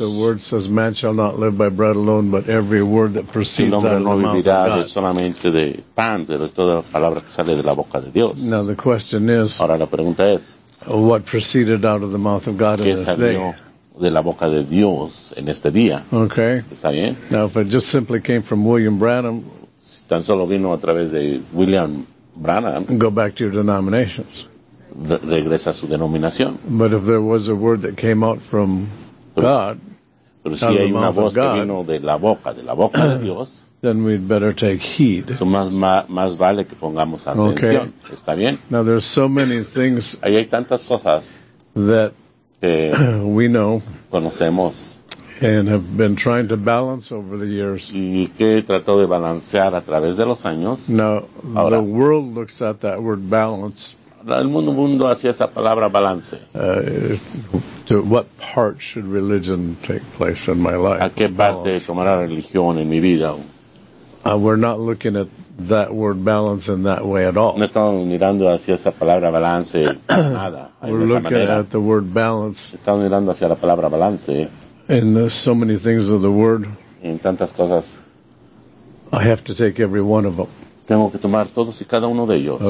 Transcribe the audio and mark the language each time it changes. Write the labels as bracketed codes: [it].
[en] that the word says, "Man shall not live by bread alone, but every word that proceeds out of the mouth of God." [es] El hombre no vivirá de solamente de pan, pero toda la palabra que sale de la boca de Dios. [en] Now the question is, [es] ahora la pregunta es, [en] what proceeded out of the mouth of God in this day? [es] ¿Qué salió de la boca de Dios en este día? [en] Okay. [es] ¿Está bien? [en] Now, if it just simply came from William Branham, [es] si tan solo vino a través de William Branham, [en] go back to your denominations. [es] Regresa a su denominación. [en] But if there was a word that came out from God, [es] pero si hay una voz que vino de la boca de Dios, [en] then we'd better take heed. [es] So más vale que pongamos atención. [en] Okay. [es] ¿Está bien? [en] Now there's so many things [es] ahí hay tantas cosas [en] that we know, [es] conocemos, [en] and have been trying to balance over the years. [es] Y que trató de balancear a través de los años. [en] Now, [es] ahora, [en] the world looks at that word balance. [es] El mundo hacia esa palabra balance. [en] To what part should religion take place in my life? [es] ¿A qué parte tomará religión en mi vida? [en] We're not looking at that word balance in that way at all. [es] No estamos mirando hacia esa palabra balance nada. [en] We're looking at the word balance. [es] Estamos mirando hacia la palabra balance. [en] And so many things of the word. [es] En tantas cosas. [en] I have to take every one of them. [es] Tengo que tomar todos y cada uno de ellos.